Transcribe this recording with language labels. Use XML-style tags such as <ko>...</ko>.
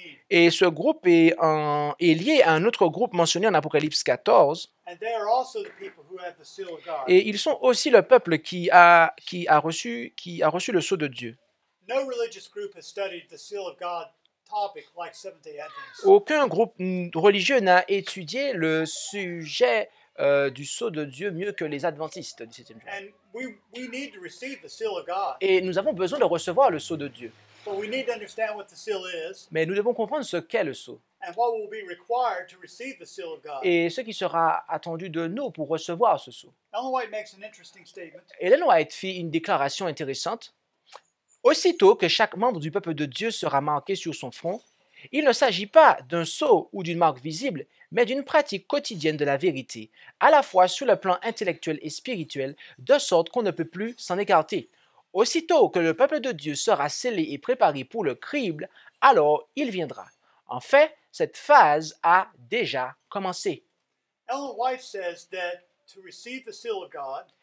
<fr>Et ce groupe est lié à un autre groupe mentionné en Apocalypse 14.</fr> <en>And they are also the people who have the seal of God.</en> <fr>Et ils sont aussi le peuple qui a reçu le sceau de Dieu.</fr> <en>No religious group has studied the seal of God topic like Seventh-day Adventists.</en> <fr>Aucun groupe religieux n'a étudié le sujet du sceau de Dieu mieux que les adventistes du 7e jour.</fr> <en>And we need to receive the seal of God.</en> <fr>Et nous avons besoin de recevoir le sceau de Dieu.</fr> <en>But we need to understand what the seal is.</en> <fr>Mais nous devons comprendre ce qu'est le sceau.</fr> <en>And what will be required to receive the seal of God.</en> <fr>Et ce qui sera attendu de nous pour recevoir ce sceau.</fr> <en>Ellen White makes an interesting statement.</en> <fr>Ellen White fit une déclaration intéressante. Aussitôt que chaque membre du peuple de Dieu sera marqué sur son front, il ne s'agit pas d'un sceau ou d'une marque visible, mais d'une pratique quotidienne de la vérité, à la fois sur le plan intellectuel et spirituel, de sorte qu'on ne peut plus s'en écarter. Aussitôt que le peuple de Dieu sera scellé et préparé pour le crible, alors il viendra. En fait, cette phase a déjà commencé.</fr> <en>Ellen White says that to receive the seal of God,</en>